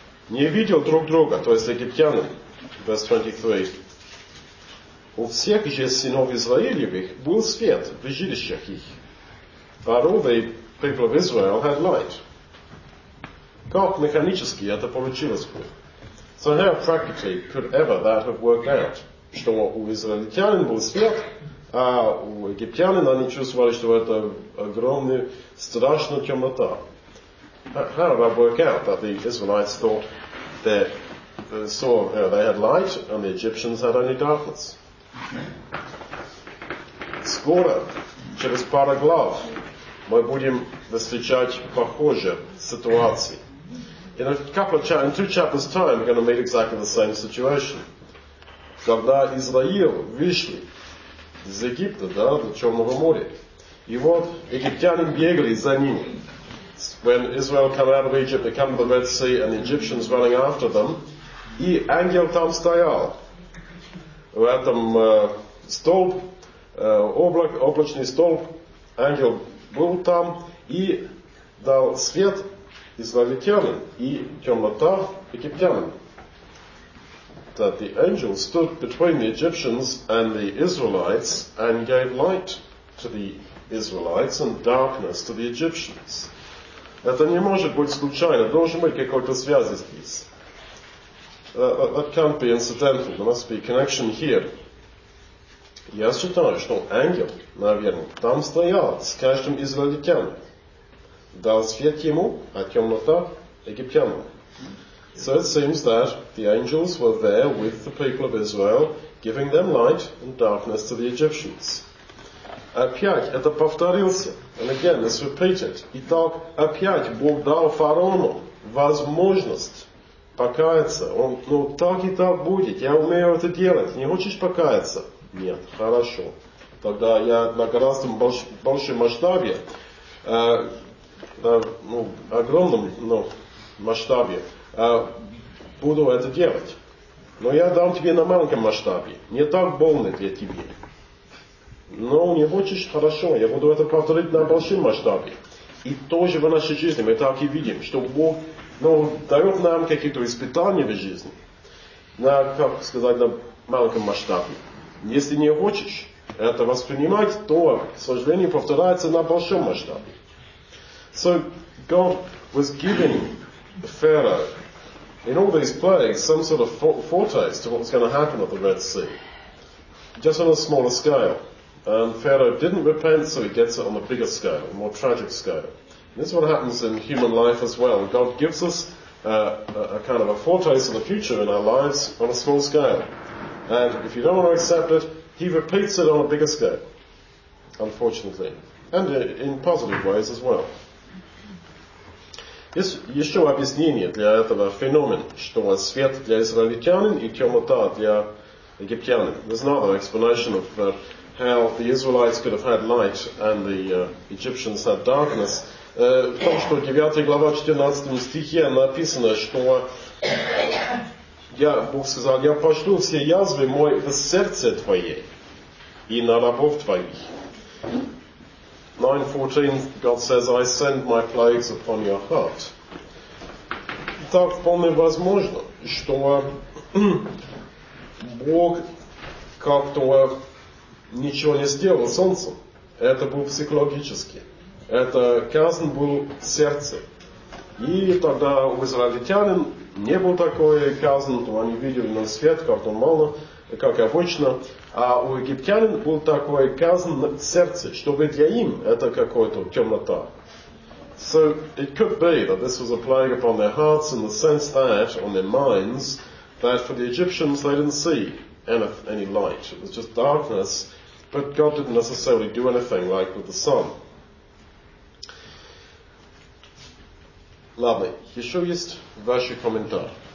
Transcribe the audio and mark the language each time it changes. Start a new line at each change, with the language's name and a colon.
Russian: Не видел друг друга, то есть египтяне, verse 23. У всех же сынов Израилевых был свет в жилищах их.
English: Пару, the people of Israel had light.
Russian: Как механически это получилось бы?
English: So how practically could ever that have worked out?
Russian: Что у израильтян был свет, а у египтянин они чувствовали, что это огромная страшная темнота.
English: How did that work out, that the Israelites thought they saw, you know, they had light and the Egyptians had only darkness?
Russian: Скоро, через пару глав, мы будем встречать похожие ситуации.
English: In two chapters' time, we're going to meet exactly the same situation.
Russian: Когда Израил вышли из Египта, да, до Черного моря, и вот египтяне бегали за ними.
English: When Israel came out of Egypt, they come to the Red Sea, and the Egyptians running after them.
Russian: И ангел там стоял. В этом столб, облачный столб, ангел был там и дал свет израильтянам и темнота египтянам.
English: That the angel stood between the Egyptians and the Israelites and gave light to the Israelites and darkness to the Egyptians.
Russian: Это не может быть случайно. Должен быть какой-то связи здесь.
English: That can't be incidental. There must be a connection here.
Russian: Я считаю, что ангел, наверное, там стоял с каждым израильтянином. дал свет ему, а темнота египтянам.
English: So it seems that the angels were there with the people of Israel, giving them light and darkness to the Egyptians.
Russian: Опять это повторился,
English: and again it's repeated.
Russian: Итак, опять Бог дал фараону возможность покаяться. Он, ну так и так будет, я умею это делать. Не хочешь покаяться? Нет, хорошо. Тогда я на гораздо большем масштабе, ну, огромном, ну, масштабе, буду это делать. Но я дам тебе на маленьком масштабе. Не так больно для тебя. Но не хочешь, хорошо, я буду это повторить на большом масштабе. И тоже в нашей жизни мы так и видим, что Бог, ну, дает нам какие-то испытания в жизни. На, как сказать, на маленьком масштабе. Если не хочешь это воспринимать, то, к сожалению, повторяется на большом масштабе.
English: So God was giving Pharaoh in all these plagues some sort of foretaste of what was going to happen at the Red Sea, just on a smaller scale. And Pharaoh didn't repent, so he gets it on a bigger scale, a more tragic scale. And this is what happens in human life as well. God gives us a kind of a foretaste of the future in our lives on a small scale. And if you don't want to accept it, he repeats it on a bigger scale, unfortunately, and in positive ways as well.
Russian: Есть еще объяснение для этого феномена, что свет для израильтянин и темнота для египтянин.
English: There's another explanation of how the Israelites could have had light and the Egyptians had darkness.
Russian: В том, что 9 глава 14 стихе написано, что я, Бог сказал, я пошлю все язвы мои в сердце твое и на рабов твоих.
English: 9:14, God says, I send my plagues upon your heart.
Russian: Так вполне возможно, что Бог как-то ничего не сделал солнцем. Это был психологически. Это казнь был в сердце. И тогда у израильтянин не был такой казнь, то они видели на свет, как-то мало, как обычно. А у египтянин был такой казнь в сердце, чтобы для им это какая-то темнота.
English: So it could be that this was a plague upon their hearts in the sense that, on their minds, that for the Egyptians they didn't see any light. It was just darkness, but God didn't necessarily do anything like with the sun.
Russian: Ладно, еще есть ваши комментарии.